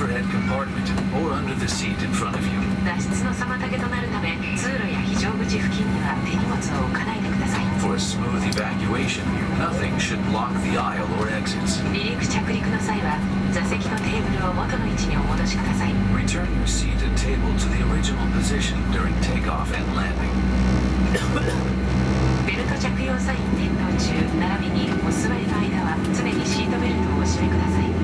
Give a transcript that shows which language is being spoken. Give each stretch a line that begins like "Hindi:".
English: compartment or under the seat in front of you.
Japanese: 脱出の妨げとなるため、通路や非常口付近には手荷物を置かないでください。
English: For a smooth evacuation, nothing should block the aisle or exits.
Japanese: 離陸着陸の際は、座席のテーブルを元の位置にお戻しください。
English: Return your seat and table to the original position during takeoff and landing.
Japanese: ベルト着用サイン点灯中、並びにお座りの間は常にシートベルトをお締めください。